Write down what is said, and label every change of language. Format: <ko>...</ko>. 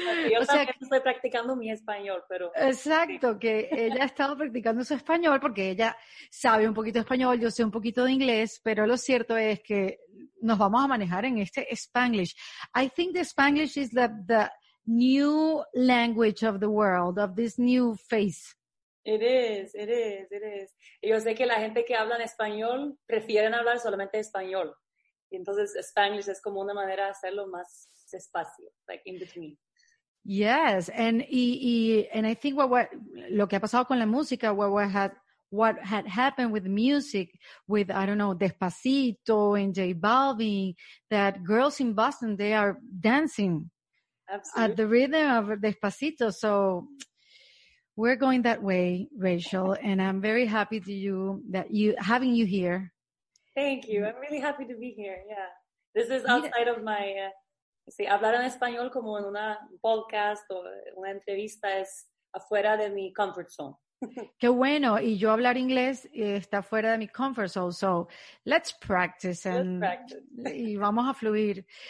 <es>Yo también estoy practicando mi español, pero... Exacto, que ella ha estado practicando su español porque ella sabe un poquito de español, yo sé un poquito de inglés, pero lo cierto es que nos vamos a manejar en este Spanglish.</es> <en>I think the Spanglish is the new language of the world, of this new face.</en> <es>Eres. Yo sé que la gente que habla en español prefieren hablar solamente español. Y entonces, Spanish es como una manera de hacerlo más despacio,</es> <en>like in between. Yes, and I think</en> <es>lo que ha pasado con la música,</es> <en>what had happened with music, with, I don't know, Despacito and J Balvin, that girls in Boston, they are dancing Absolutely. At the rhythm of Despacito. So we're going that way, Rachel, and I'm very happy to you that you having you here. Thank you. I'm really happy to be here. Yeah. This is outside of my, see,</en> <es>hablar en español como en una podcast o una entrevista es afuera de mi comfort zone. Qué bueno. Y yo hablar inglés está fuera de mi comfort zone.</es> <en>So let's practice. Let's practice.</en> <es>Y vamos a fluir.</es>